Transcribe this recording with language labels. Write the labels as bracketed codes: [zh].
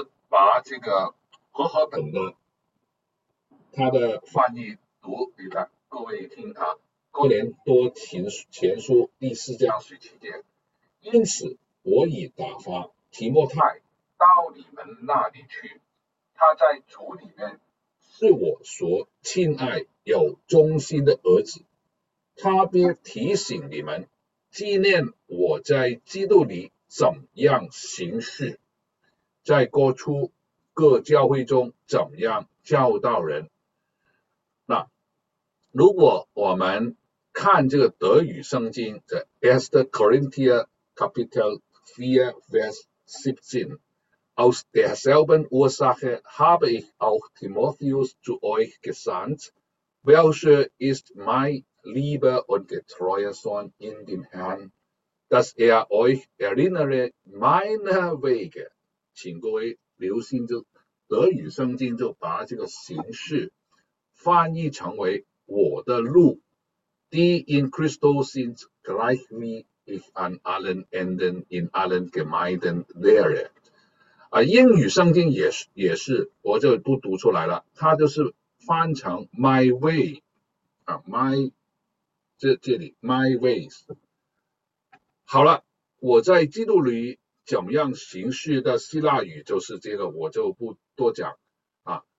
[zh] 把这个和合本的它的翻译读给他各位听啊，哥林多前书第四章17节，因此我已打发提摩太到你们那里去，他在主里面是我所亲爱有忠心的儿子，他便提醒你们纪念我在基督里怎样行事，在过初。各教会中怎么样教导人？ [de] 那如果我们看这个德语圣经的 Esther Corinthia Capital 4 Vers 17, aus derselben Ursache habe ich auch Timotheus zu euch gesandt, welcher ist mein lieber und getreuer Sohn in dem Herrn, dass er euch erinnere meiner Wege, [zh] 请各位留心着。德语圣经就把这个形式翻译成为我的路， [de] die in Christo sind gleich wie ich an allen Enden in allen Gemeinden lehre。 [zh] 英语圣经也是，我就不读出来了，它就是翻成 my way 啊，my 这里 my ways。好了，我在基督里。怎么样形式的希腊语就是这个，我就不多讲啊。